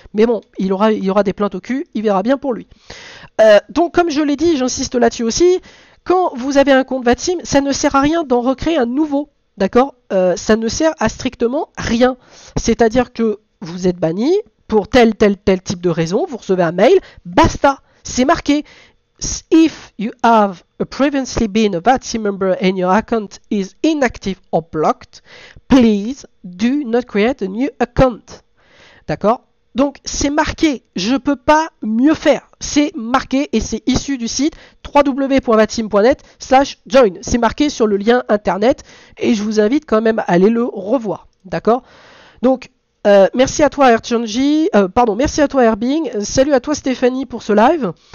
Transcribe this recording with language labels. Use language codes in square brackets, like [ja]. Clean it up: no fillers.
[fr] Mais bon, il aura des plaintes au cul, il verra bien pour lui. Donc comme je l'ai dit, j'insiste là-dessus aussi, quand vous avez un compte Vatsim, ça ne sert à rien d'en recréer un nouveau. D'accord? Ça ne sert à strictement rien. C'est-à-dire que vous êtes banni. Pour tel type de raison, vous recevez un mail, basta, c'est marqué. [en] If you have previously been a VATSI member and your account is inactive or blocked, please do not create a new account. [fr] D'accord? Donc, c'est marqué, je ne peux pas mieux faire. C'est marqué et c'est issu du site www.vatsim.net/join. C'est marqué sur le lien internet et je vous invite quand même à aller le revoir. D'accord? Donc, merci à toi Erchangi, pardon, merci à toi Herbing, salut à toi Stéphanie pour ce live.